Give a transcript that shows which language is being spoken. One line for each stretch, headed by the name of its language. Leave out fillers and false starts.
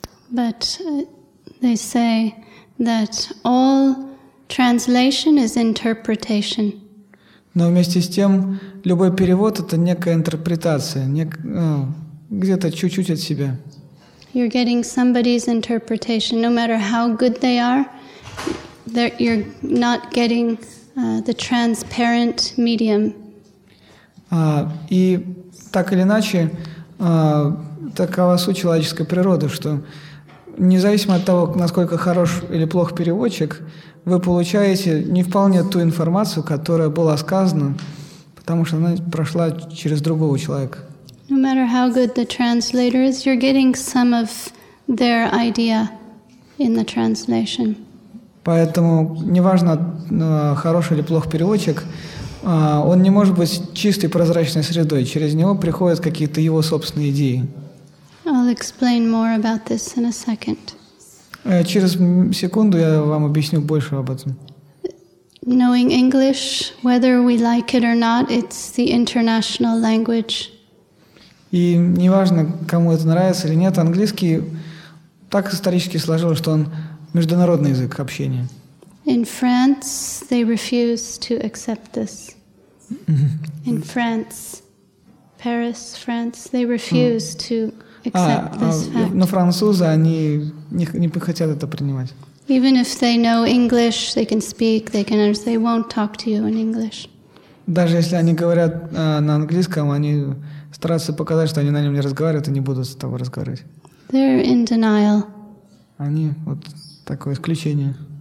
English: But they say that all translation is interpretation.
Russian: Но вместе с тем, любой перевод — это некая интерпретация, где-то чуть-чуть от себя.
English: You're getting somebody's interpretation. No matter how good they are, you're not getting the transparent medium.
Russian: И так или иначе, такова суть человеческой природы, что независимо от того, насколько хорош или плох переводчик, вы получаете не вполне ту информацию, которая была сказана, потому что она прошла через другого человека.
English: No matter how good the translator is, you're getting some of their idea in the translation.
Russian: Поэтому неважно, хороший или плох переводчик, он не может быть чистой прозрачной средой. Через него приходят какие-то его собственные идеи.
English: I'll explain more about this in a second.
Russian: Через секунду я вам объясню больше об этом.
English: Knowing English, whether we like it or not, it's the international language.
Russian: И неважно, кому это нравится или нет, английский так исторически сложилось, что он международный язык общения.
English: In France, they refuse to accept this. In France, Paris, France, they refuse to accept this fact.
Russian: Но французы, они не хотят это принимать.
English: Even if they know English, they can speak, they can understand, they won't talk to you in English.
Russian: Даже если они говорят на английском, они стараются показать, что они на нем не разговаривают и не будут с тобой разговаривать.
English: They're in denial.
Russian: Они вот такое исключение.